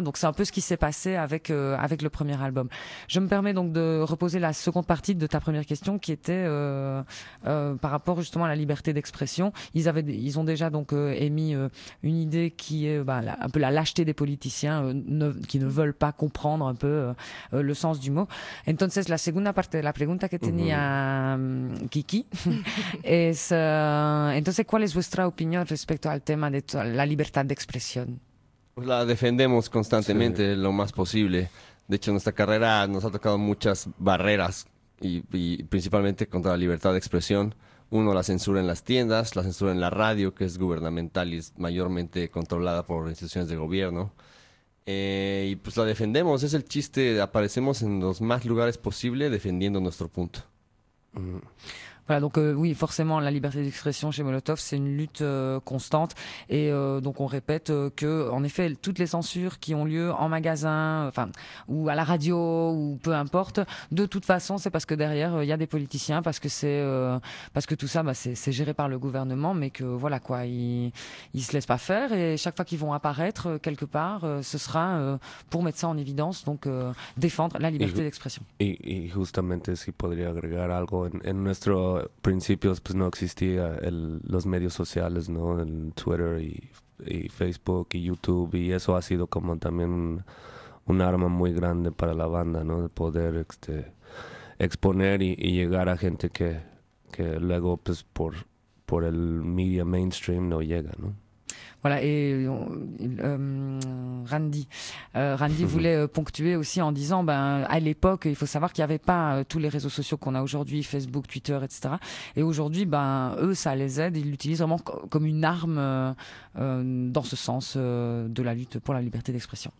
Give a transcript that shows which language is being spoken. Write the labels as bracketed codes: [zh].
[fr] Donc c'est un peu ce qui s'est passé avec le premier album. Je me permets donc de reposer la seconde partie de ta première question, qui était par rapport justement à la liberté d'expression. Ils ont déjà donc émis une idée qui est un peu la lâcheté des politiciens qui ne veulent pas comprendre un peu le sens du mot. [es] Entonces la segunda parte de la pregunta que tenía Kiki es entonces, ¿cuál es vuestra opinión respecto al tema de la libertad de expresión? Pues la defendemos constantemente, sí, lo más posible. De hecho, nuestra carrera nos ha tocado muchas barreras, y principalmente contra la libertad de expresión. Uno, la censura en las tiendas, la censura en la radio, que es gubernamental y es mayormente controlada por instituciones de gobierno. Y pues la defendemos, es el chiste, aparecemos en los más lugares posible defendiendo nuestro punto. Mm. [fr] Voilà, donc oui, forcément, la liberté d'expression chez Molotov, c'est une lutte constante. Et donc, on répète que, en effet, toutes les censures qui ont lieu en magasin, enfin, ou à la radio, ou peu importe, de toute façon, c'est parce que derrière, il y a des politiciens, parce que tout ça, c'est géré par le gouvernement, mais que voilà quoi, ils se laissent pas faire. Et chaque fois qu'ils vont apparaître quelque part, ce sera pour mettre ça en évidence, donc défendre la liberté d'expression. Et justement, si je pourrais agréger [es] algo en nuestro principios, pues no existía los medios sociales, ¿no? El Twitter y Facebook y YouTube, y eso ha sido como también un arma muy grande para la banda, ¿no? De poder exponer y llegar a gente que luego pues por el media mainstream no llega, ¿no? [fr] Voilà, et Randy voulait ponctuer aussi en disant, à l'époque, il faut savoir qu'il n'y avait pas tous les réseaux sociaux qu'on a aujourd'hui, Facebook, Twitter, etc. Et aujourd'hui, eux, ça les aide, ils l'utilisent vraiment comme une arme dans ce sens de la lutte pour la liberté d'expression.